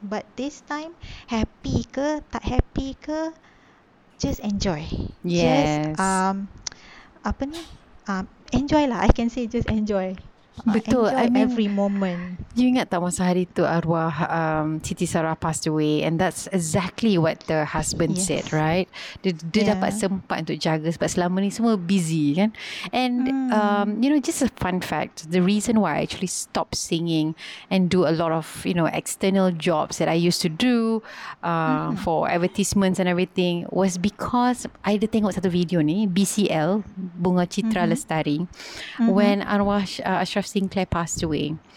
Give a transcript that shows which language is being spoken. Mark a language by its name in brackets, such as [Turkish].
[English] But this time, happy ke tak happy ke, just enjoy. Yes. Just, enjoy lah. I can say just enjoy. [Malay] Betul. [English] Enjoy every moment. You [Malay] ingat tak masa hari tu arwah [English] Siti Sarah passed away, and that's exactly what the husband yes. said, right? Dia yeah. [Malay] dapat sempat untuk jaga sebab selama ni semua busy kan. [English] And you know, just a fun fact, the reason why I actually stopped singing and do a lot of, you know, external jobs that I used to do for advertisements and everything was because I [Malay] ada tengok satu video ni, [English] BCL, Bunga Citra Lestari, when arwah Ashraf Sinclair passed away.